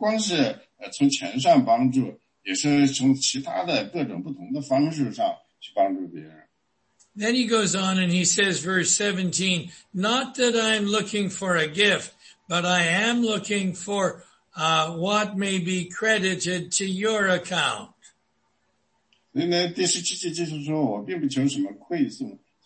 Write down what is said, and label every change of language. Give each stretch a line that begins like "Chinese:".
Chinese: 那这当然是真的,不光是从钱上帮助, 也是从其他的各种不同的方式上去帮助别人。
English: Then he goes on and he says, verse 17, not that I'm looking for a gift, but I am looking for what may be credited to your account.
Chinese: 所以呢,第十七节就是说,我并不求什么馈送,